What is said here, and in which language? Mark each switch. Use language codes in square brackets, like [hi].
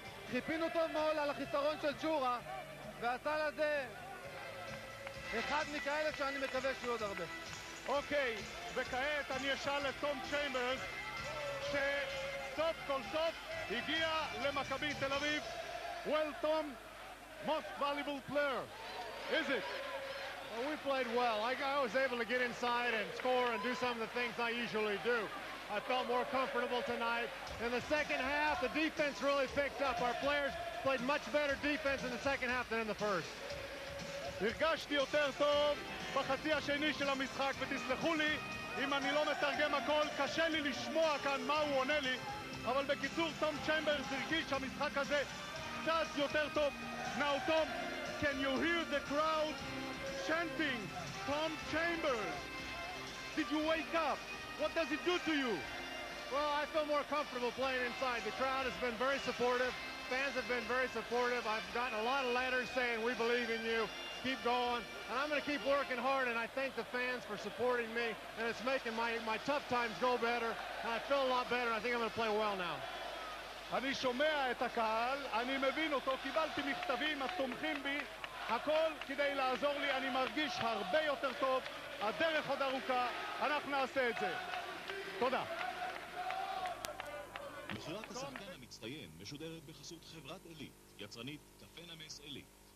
[he] חיפינו טוב מאוד על החיסרון של ג'ורה והסל הזה... אחד מכאלה שאני מקווה שיהיו עוד הרבה. אוקיי, וכעת אני אשאל את טום צ'יימברס שסוף כל סוף הגיע למכבי תל אביב. [en] Well, Tom, most valuable player, is it? Well, we played well. I was able to get inside and score and do some of the things I usually do. I felt more comfortable tonight. In the second half, the defense really picked up. Our players played much better defense in the second half than in the first. [he] הרגשתי יותר טוב בחצי השני של המשחק, ותסלחו לי אם אני לא מתרגם הכל, קשה לי לשמוע כאן מה הוא עונה לי, אבל בקיצור, טום צ'יימברס הרגיש שהמשחק הזה קצת יותר טוב. [en] Now, Tom, can you hear the crowd chanting Tom Chambers? Did you wake up? What does it do to you? Well, I feel more comfortable playing inside. The crowd has been very supportive. Fans have been very supportive. I've gotten a lot of letters saying we believe in you. Keep going, and I'm going to keep working hard, and I thank the fans for supporting me, and it's making my tough times go better, and I feel a lot better, and I think I'm going to play well now. [he] אני שומע את הקהל, אני מבין אותו, קיבלתי מכתבים, התומכים בי, הכל כדי לעזור לי, אני מרגיש הרבה יותר טוב, הדרך עוד ארוכה, אנחנו נעשה את זה. תודה. מכירת השחקן המצטיין משודרת בחסות חברת אליט, יצרנית קפה נמס אליט.